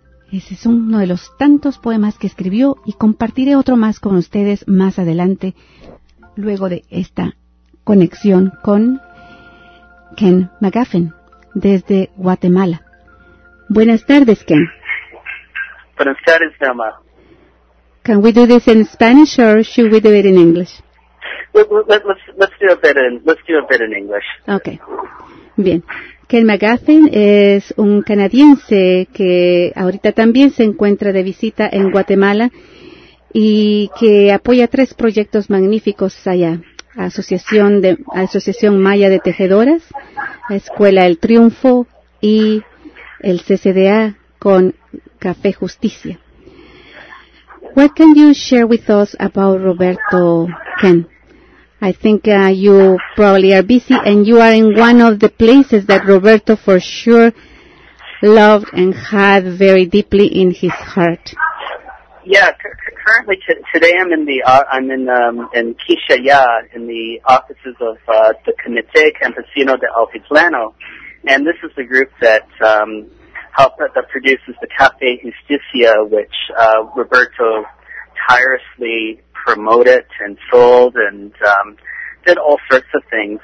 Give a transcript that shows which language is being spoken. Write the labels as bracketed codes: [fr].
[es] Ese es uno de los tantos poemas que escribió y compartiré otro más con ustedes más adelante, luego de esta conexión con Ken McGuffin desde Guatemala. Buenas tardes, Ken. Buenas tardes, Emma. [en] Can we do this in Spanish or should we do it in English? Let's do a bit in English. [es] Okay. Bien. Ken McGuffin es un canadiense que ahorita también se encuentra de visita en Guatemala y que apoya 3 proyectos magníficos allá. Asociación Maya de Tejedoras, Escuela El Triunfo y el CCDA con Café Justicia. [en] What can you share with us about Roberto, Ken? I think you probably are busy and you are in one of the places that Roberto for sure loved and had very deeply in his heart. Yeah, currently today I'm in Quixaya in the offices of the Comité Campesino de Altiplano, and this is the group that that produces the Café Justicia, which Roberto tirelessly promoted and sold and did all sorts of things.